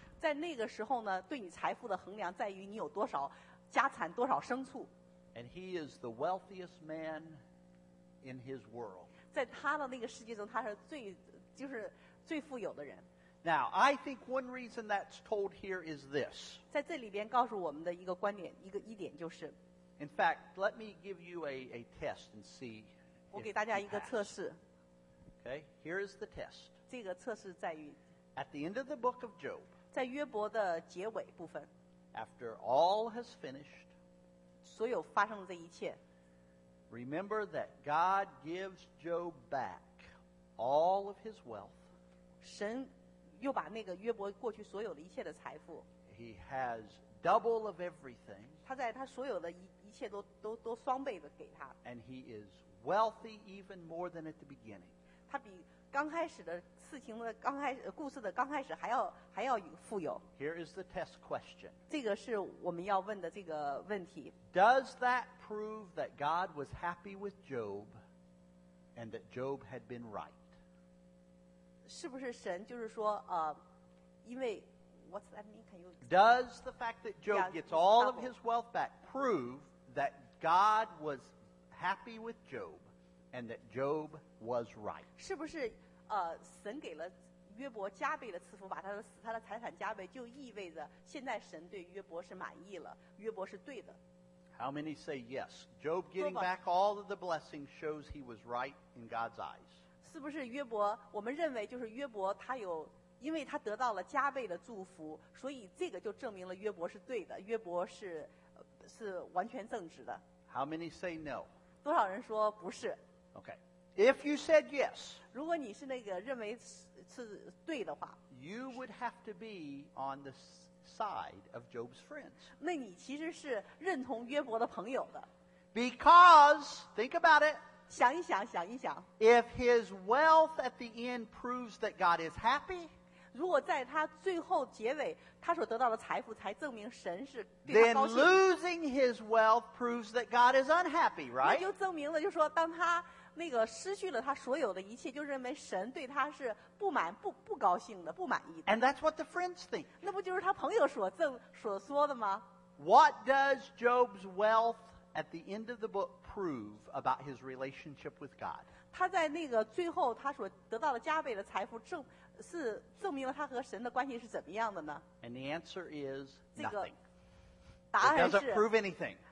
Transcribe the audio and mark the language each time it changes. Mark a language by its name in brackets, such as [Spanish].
[Chinese] 在那个时候呢，对你财富的衡量在于你有多少家产、多少牲畜。 [English] And he is the wealthiest man in his world. [Chinese] 在他的那个世界中，他是最就是最富有的人。 [English] Now, I think one reason that's told here is this. [Chinese] 在这里边告诉我们的一个观点，一点就是。 [English] In fact, let me give you a test and see. [Chinese] 我给大家一个测试。 [English] Okay, here is the test. [Chinese] 这个测试在于。 [English] At the end of the book of Job. [Chinese] 在约伯的结尾部分 [English] After all has finished, [Chinese] 所有发生的这一切 [English] Remember that God gives Job back all of his wealth. [Chinese] 神又把那个约伯过去所有的一切的财富 [English] He has double of everything. [Chinese] 他在他所有的 一切都双倍的给他 [English] And he is wealthy even more than at the beginning. [Chinese] 他比刚开始的事情的刚开始故事的刚开始还要富有 [English] Here is the test question [Chinese] 这个是我们要问的这个问题 [English] Does that prove that God was happy with Job and that Job had been right [Chinese] 是不是神就是说因为 [English] What's that mean? Can you Does the fact that Job gets all of his wealth back prove that God was happy with Job and that Job was right [Chinese] 是不是神给了约伯加倍的赐福把他的财产加倍就意味着现在神对约伯是满意了约伯是对的 [English] How many say yes? Job getting back all of the blessings shows he was right in God's eyes [Chinese] 是不是约伯我们认为就是约伯他有因为他得到了加倍的祝福所以这个就证明了约伯是对的约伯是完全正直的 [English] How many say no? [Chinese] 多少人说不是 [English] Okay If you said yes, [Chinese] 如果你是那个认为 是对的话 [English] you would have to be on the side of Job's friends. [Chinese] 那你其实是认同约伯的朋友的。 [English] Because, think about it. [Chinese] 想一想，想一想。 [English] If his wealth at the end proves that God is happy, [Chinese] 如果在他最后结尾，他所得到的财富才证明神是对他高兴。 [English] Then losing his wealth proves that God is unhappy, right? [Chinese] 那就证明了，就说当他那个失去了他所有的一切，就认为神对他是不满、不高兴的、不满意的。 [English] And that's what the friends think. [Chinese] 那不就是他朋友所说的吗？ [English] What does Job's wealth at the end of the book prove about his relationship with God? [Chinese] 他在那个最后他所得到的加倍的财富是证明了他和神的关系是怎么样的呢？ [English] And the answer is nothing. [Chinese] 这个答案是 [English] It doesn't prove anything.